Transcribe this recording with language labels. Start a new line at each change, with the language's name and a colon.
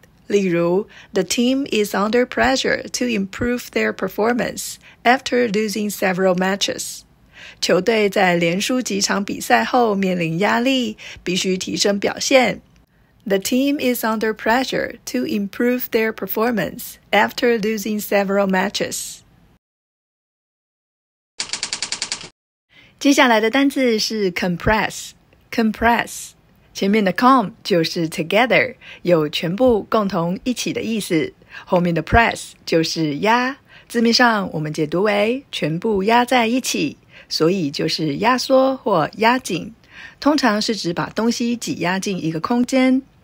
English: 例如 The team is under pressure to improve their performance after losing several matches。
Chinese: 球队在连输几场比赛后面临压力，必须提升表现。
English: The team is under pressure to improve their performance after losing several matches。
Chinese: 接下来的单字是 compress。compress 前面的 com 就是 together， 有全部共同一起的意思，后面的 press 就是压，字面上我们解读为全部压在一起，所以就是压缩或压紧，通常是指把东西挤压进一个空间。